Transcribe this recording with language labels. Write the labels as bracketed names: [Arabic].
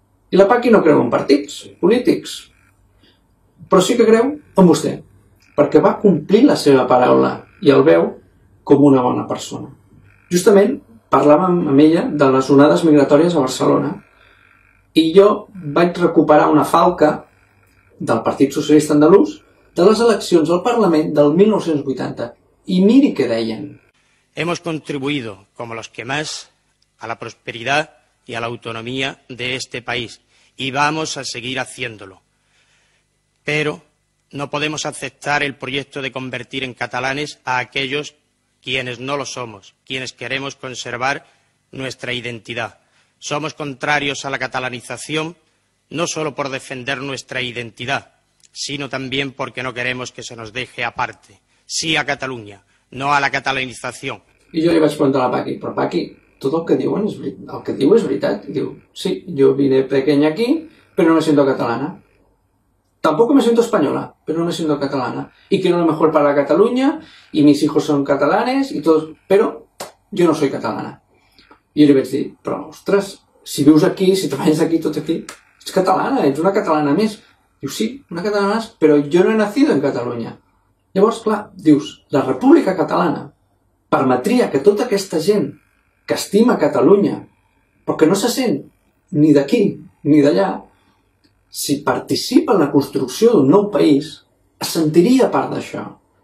[Catalan] I la Paqui no creu en partits polítics, però sí que creu en vostè, perquè va complir la seva paraula i el veu com una bona persona. Justament parlàvem amb ella de les onades migratòries a Barcelona, i jo vaig recuperar una falca del Partit Socialista Andalús de les eleccions al Parlament del 1980. I miri què deien. [Spanish] Hemos contribuido, como los que más, a la prosperidad y a la autonomía de este país. Y vamos a seguir haciéndolo. Pero no podemos aceptar el proyecto de convertir en catalanes a aquellos quienes no lo somos, quienes queremos conservar nuestra identidad. Somos contrarios a la catalanización, no solo por defender nuestra identidad, sino también porque no queremos que se nos deje aparte. Sí a Cataluña, no a la catalanización. [Catalan] I jo li vaig preguntar a la Paqui: però Paqui, tot el que diuen és veritat. El que diu és veritat. Diu, sí, jo [Spanish] vine pequeña aquí, [Catalan] però [Spanish] no me siento catalana. Tampoco me siento española, pero no me siento catalana. Y quiero lo mejor para Cataluña, y mis hijos son catalanes, y todos, pero yo no soy catalana. [Catalan] I jo li vaig dir, però ostres, si vius aquí, si treballes aquí, tot aquí, ets catalana, ets una catalana més. Diu, sí, una catalana més, però jo [Spanish] no he nacido en [Catalan] Catalunya. Llavors, clar, dius, la República Catalana permetria que tota aquesta gent que estima Catalunya, però que no se sent ni d'aquí ni d'allà, si participa en la construcció d'un nou país, es sentiria part d'això.